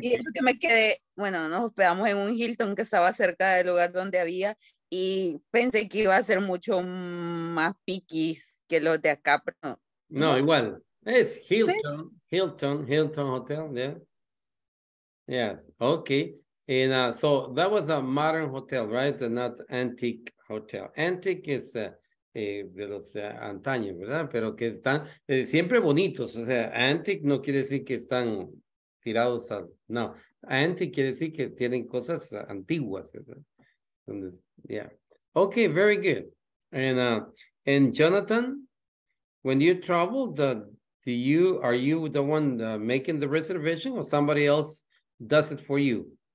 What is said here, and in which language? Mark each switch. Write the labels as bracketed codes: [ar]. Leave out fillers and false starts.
[es] Y eso que me quedé, nos hospedamos en un Hilton que estaba cerca del lugar donde había. Y pensé que iba a ser mucho más piquis que los de acá, pero no. No, igual. Es Hilton, ¿sí? [en] Hilton Hotel, yeah. Yes, okay. And so that was a modern hotel, right? And not antique hotel. Antique is [es] de los antaños, ¿verdad? Pero que están siempre bonitos. O sea, antique no quiere decir que están tirados al... No, antique quiere decir que tienen cosas antiguas, ¿verdad? [en] Yeah. Okay, very good. And Jonathan, when you travel, are you the one making the reservation or somebody else does it for you?